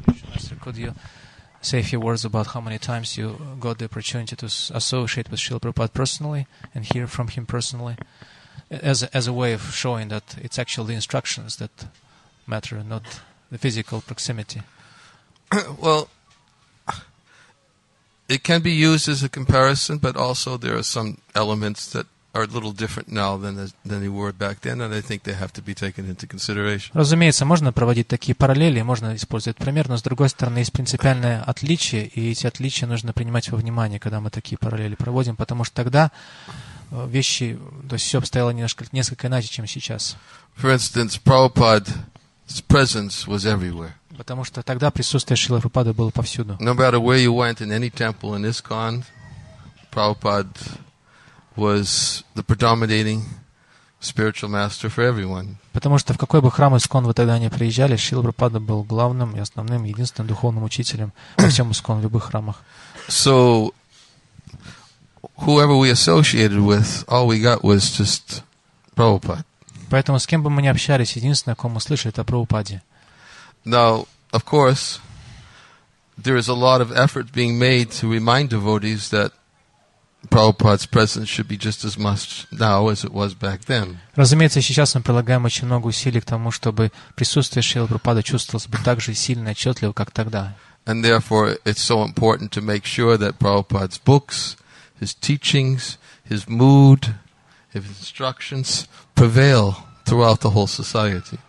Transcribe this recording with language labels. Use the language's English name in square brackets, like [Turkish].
[English] Master, could you say a few words about how many times you got the opportunity to associate with Shrila Prabhupada personally and hear from him personally, as a way of showing that it's actually the instructions that matter, not the physical proximity? Well, it can be used as a comparison, but also there are some elements that are a little different now than they were back then, and I think they have to be taken into consideration. [Russian] Разумеется, можно проводить такие параллели, можно использовать пример, но с другой стороны есть принципиальное отличие, и эти отличия нужно принимать во внимание, когда мы такие параллели проводим, потому что тогда вещи, то есть все обстояло несколько иначе, чем сейчас. [English] For instance, Prabhupada's presence was everywhere. [Russian] Потому что тогда присутствие Шрилы Прабхупады было повсюду. [English] No matter where you went in any temple in ISKCON, Prabhupada was the predominating spiritual master for everyone. [Russian] Потому что в какой бы храм ISKCON вы тогда ни приезжали, Шрила Прабхупада был главным и основным, единственным духовным учителем во всем ISKCON, в любых храмах. [English] So, whoever we associated with, all we got was just Prabhupada. [Russian] Поэтому с кем бы мы ни общались, единственное, о ком мы слышали, это о Прабхупаде. [English] Now, of course, there is a lot of effort being made to remind devotees that Prabhupada's presence should be just as much now as it was back then. [Russian] Разумеется, сейчас мы прилагаем очень много усилий к тому, чтобы присутствие Шрилы Прабхупады чувствовалось бы так же сильно и отчетливо, как тогда. [English] And therefore, it's so important to make sure that Prabhupada's books, his teachings, his mood, his instructions prevail throughout the whole society.